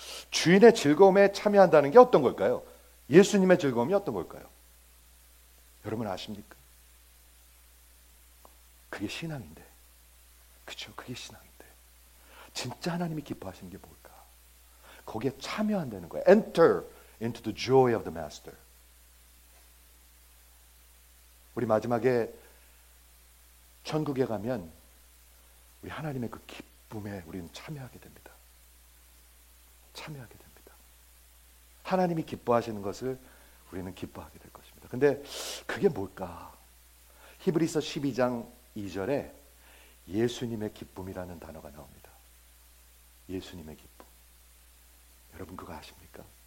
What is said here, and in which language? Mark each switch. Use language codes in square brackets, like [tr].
[ko] 주인의 즐거움에 참여한다는 게 어떤 걸까요? 예수님의 즐거움이 어떤 걸까요? 여러분 아십니까? 그게 신앙인데. 그렇죠? 그게 신앙인데. 진짜 하나님이 기뻐하시는 게 뭘까? 거기에 참여한다는 거예요. [en] Enter into the joy of the master. [ko] 우리 마지막에 천국에 가면 우리 하나님의 그 기쁨에 우리는 참여하게 됩니다. 참여하게 됩니다. 하나님이 기뻐하시는 것을 우리는 기뻐하게 될 것입니다. 근데 그게 뭘까? 히브리서 12장 2절에 예수님의 기쁨이라는 단어가 나옵니다. 예수님의 기쁨. 여러분 그거 아십니까?